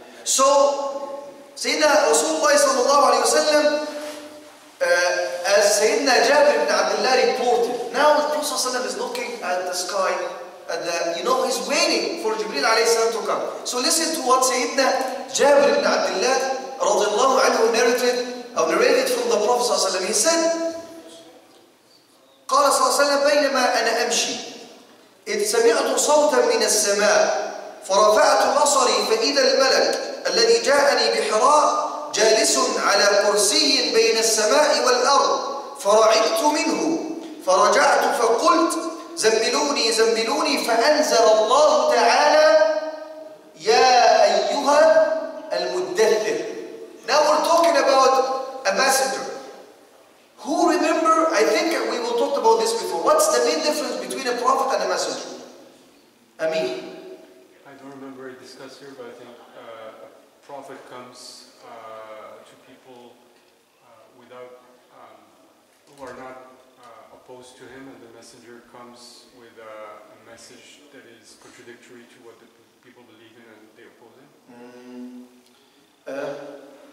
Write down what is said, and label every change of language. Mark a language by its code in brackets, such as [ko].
[en] So, Sayyidina Rasulullah sallallahu alayhi wa sallam, as Sayyidina Jabir ibn Abdullah reported, now the Prophet is looking at the sky, and you know, he's waiting for Jibreel alayhi salam to come. So listen to what Sayyidina Jabir ibn Abdullah radiallahu anhu narrated from the Prophet. He said, [ar] قال صلى الله عليه وسلم بينما أنا أمشي إذ سمعت صوتا من السماء فرفعت بصري فإذا الملك الذي جاءني بحراء جالس على كرسي بين السماء والأرض فرعدت منه فرجعت فقلت زملوني فأنزل الله تعالى يا أيها المدثر. [en] Now we're talking about a messenger. Who remember, I think we will talk about this before. What's the main difference between a prophet and a messenger? Ameen. I don't remember it discussed here, but I think a prophet comes to people without who are not opposed to him, and the messenger comes with a message that is contradictory to what the people believe in and they oppose him.